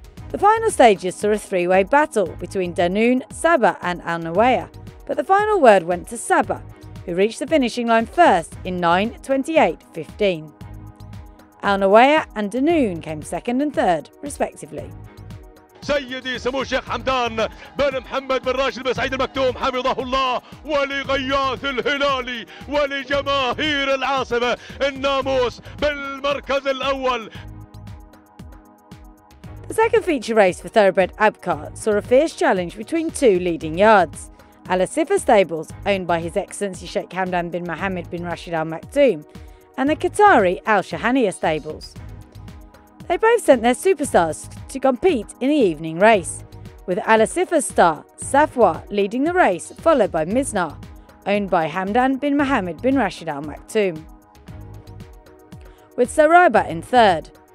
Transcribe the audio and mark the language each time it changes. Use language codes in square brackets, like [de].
[en] The final stages saw a three-way battle between Danoon, Saba and Al Nawaya, but the final word went to Saba, who reached the finishing line first in 9:28.15. Al Nawaya and Danoon came second and third, respectively. [ar] سيدي سمو الشيخ حمدان بن محمد بن راشد بن سعيد المكتوم حفظه الله ولغياث الهلال ولجماهير العاصمة الناموس بالمركز الأول. [en] The second feature race for Thoroughbred Abkar saw a fierce challenge between two leading yards. Al Asifa Stables, owned by His Excellency Sheikh Hamdan bin Mohammed bin Rashid Al Maktoum, and the Qatari Al Shahania Stables. They both sent their superstars to compete in the evening race, with Al Asifa's star, Safwa, leading the race, followed by Miznar, owned by Hamdan bin Mohammed bin Rashid Al Maktoum, with Saraiba in third.